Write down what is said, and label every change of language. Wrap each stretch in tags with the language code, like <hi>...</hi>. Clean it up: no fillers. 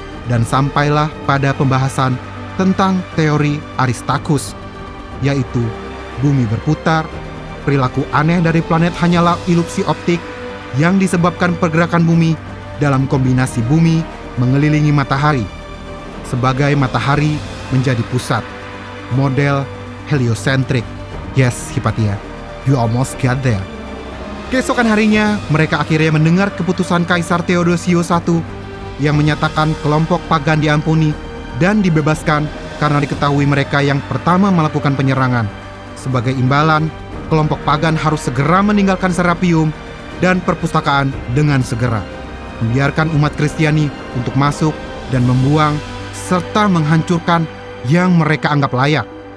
<id>Dan sampailah pada pembahasan tentang teori Aristarchus, yaitu bumi berputar, perilaku aneh dari planet hanyalah ilusi optik yang disebabkan pergerakan bumi dalam kombinasi bumi mengelilingi matahari sebagai matahari menjadi pusat, model heliocentric.</id> <en>Yes, Hipatia, you almost got there.</en> <id>Keesokan harinya, mereka akhirnya mendengar keputusan Kaisar Theodosius I yang menyatakan kelompok pagan diampuni dan dibebaskan karena diketahui mereka yang pertama melakukan penyerangan. Sebagai imbalan, kelompok pagan harus segera meninggalkan Serapium dan perpustakaan dengan segera, membiarkan umat Kristiani untuk masuk dan membuang serta menghancurkan yang mereka anggap layak.</id>